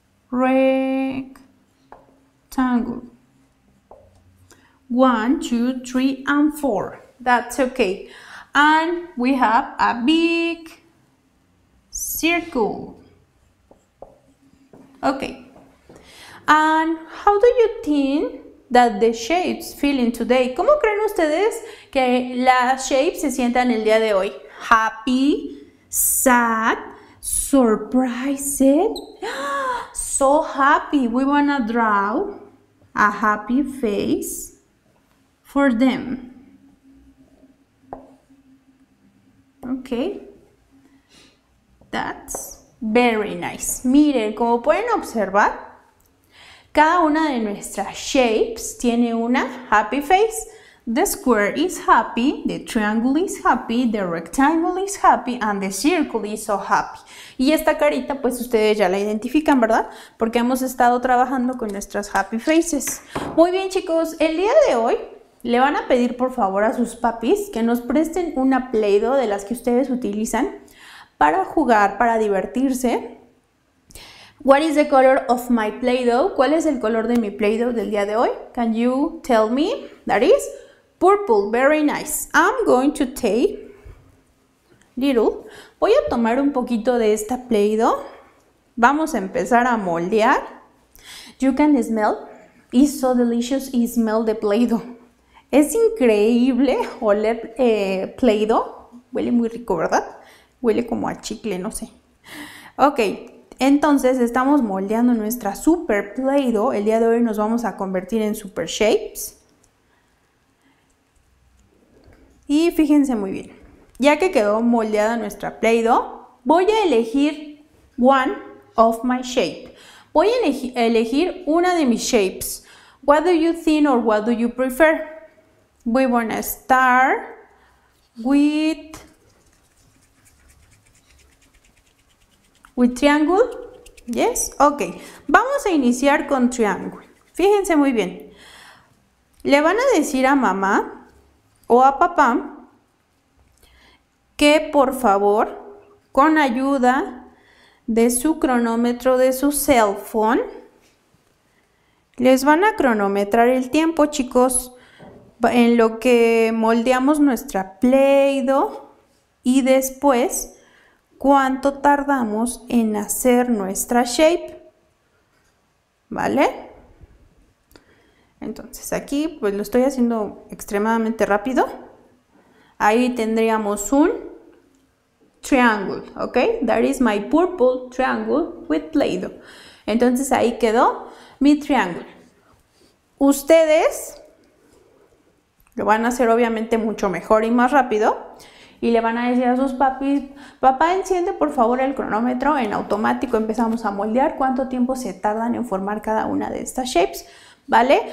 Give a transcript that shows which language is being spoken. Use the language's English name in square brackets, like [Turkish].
[English] Rectangle. 1, 2, 3, and 4. That's okay. And we have a big circle. Okay. And how do you think that the shapes feeling today? [Spanish] ¿Cómo creen ustedes que las shapes se sientan el día de hoy? [English] Happy, sad, surprised. So happy. We wanna draw a happy face for them. Okay, that's very nice. [Spanish] Miren, como pueden observar, cada una de nuestras shapes tiene una happy face. [English] The square is happy, the triangle is happy, the rectangle is happy, and the circle is so happy. [Spanish] Y esta carita, pues ustedes ya la identifican, ¿verdad? Porque hemos estado trabajando con nuestras happy faces. Muy bien, chicos, el día de hoy le van a pedir por favor a sus papis que nos presten una Play-Doh de las que ustedes utilizan para jugar, para divertirse. [English] What is the color of my Play-Doh? [Spanish] ¿Cuál es el color de mi Play-Doh del día de hoy? [English] Can you tell me? That is purple. Very nice. I'm going to take little. [Spanish] Voy a tomar un poquito de esta Play-Doh. Vamos a empezar a moldear. [English] You can smell. It's so delicious. You smell the Play-Doh. [Spanish] Es increíble oler Play-Doh. Huele muy rico, ¿verdad? Huele como a chicle, no sé. Ok, entonces estamos moldeando nuestra Super Play-Doh. El día de hoy nos vamos a convertir en Super Shapes. Y fíjense muy bien. Ya que quedó moldeada nuestra Play-Doh, voy a elegir [English] one of my shapes. [Spanish] Voy a elegir una de mis shapes. [English] What do you think or what do you prefer? We wanna start with triangle. Yes, ok. [Spanish] Vamos a iniciar con triangle. Fíjense muy bien. Le van a decir a mamá o a papá que por favor, con ayuda de su cronómetro de su cell phone, les van a cronometrar el tiempo, chicos. En lo que moldeamos nuestra Play-Doh y después cuánto tardamos en hacer nuestra shape, ¿vale? Entonces aquí pues lo estoy haciendo extremadamente rápido. Ahí tendríamos un triangle, ¿ok? [English] That is my purple triangle with Play-Doh. [Spanish] Entonces ahí quedó mi triangle. Ustedes lo van a hacer obviamente mucho mejor y más rápido. y le van a decir a sus papis, papá, enciende por favor el cronómetro en automático, empezamos a moldear cuánto tiempo se tardan en formar cada una de estas shapes, ¿vale?